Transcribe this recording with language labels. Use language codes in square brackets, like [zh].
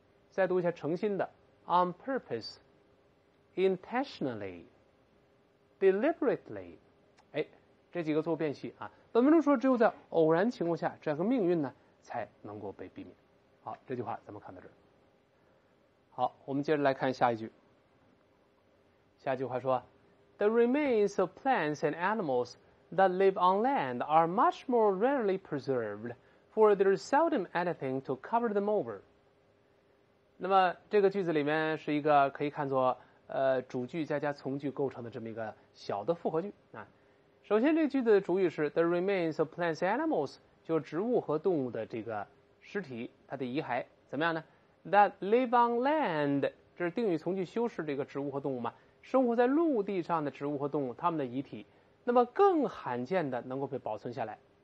[zh] 再读一下诚心的 ： [en] on purpose, intentionally, deliberately。 [zh] 哎，这几个做辨析啊。本文中说，只有在偶然情况下，这样个命运呢才能够被避免。好，这句话咱们看到这儿。好，我们接着来看下一句。下句话说 [en] The remains of plants and animals that live on land are much more rarely preserved, for there is seldom anything to cover them over. [zh] 那么这个句子里面是一个可以看作主句再加从句构成的这么一个小的复合句啊。首先这句的主语是 [en] The remains of plants and animals, [zh] 就是植物和动物的这个尸体，它的遗骸怎么样呢？ [en] That live on land, [zh] 这是定语从句修饰这个植物和动物嘛，生活在陆地上的植物和动物，它们的遗体，那么更罕见的能够被保存下来。